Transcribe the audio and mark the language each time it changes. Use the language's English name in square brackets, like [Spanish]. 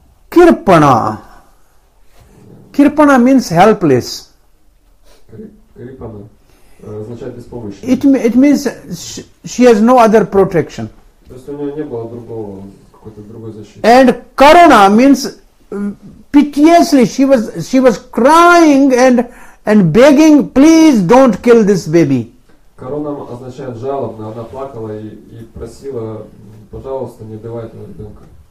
[English] Kirpana. Kirpana means helpless. [Russian] Kirpana означает беспомощный. [English] It means she has no other protection. [Russian] То есть у нее не было другого, какой-то другой защиты. [English] And Karuna means piteously. She was crying and begging, please don't kill this baby. [Russian] Karuna означает жалобно. Она плакала и просила, пожалуйста, не убивай этого ребенка.